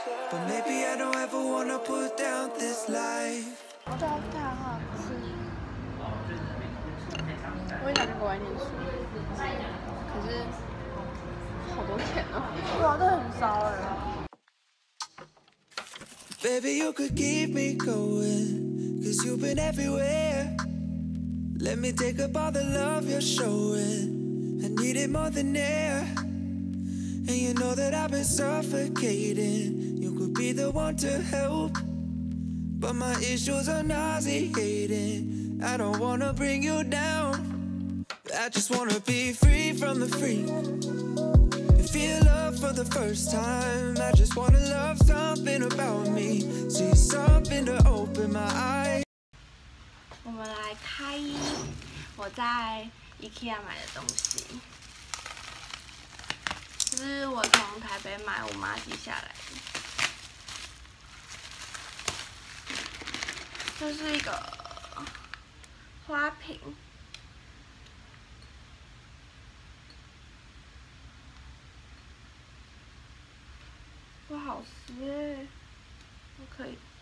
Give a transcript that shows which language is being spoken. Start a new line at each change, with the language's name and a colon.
English: But maybe I don't ever wanna put down this life.
Chinese: 豆腐太好吃。我也想去国外念书，可是好多钱啊！哇，这很烧哎。
English: Baby, you could keep me going, 'cause you've been everywhere. Let me take up all the love you're showing. I need it more than air. And you know that I've been suffocating. You could be be the one to help. But my issues are nauseating. I don't wanna bring you down. I just wanna be free from the freak. Feel love for the first time. I just wanna love something about me. See something to open my eyes.
Chinese: 我们来开我在 IKEA 买的东西。是我从台北买，我妈寄下来的。这是一个花瓶，不好撕耶，不可以。